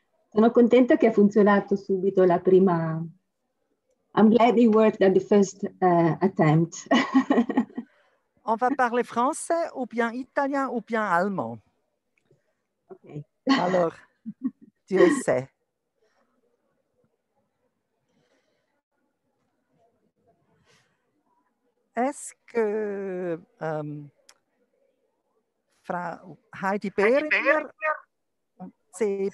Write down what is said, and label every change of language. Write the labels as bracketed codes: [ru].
[it] Sono contenta che ha funzionato subito la prima. [en] I'm glad it worked at the first attempt. [fr] On va parler français ou bien italien ou bien allemand? Ok. Alors, Dieu sait. Est-ce que Frau Heidi Behringer, C.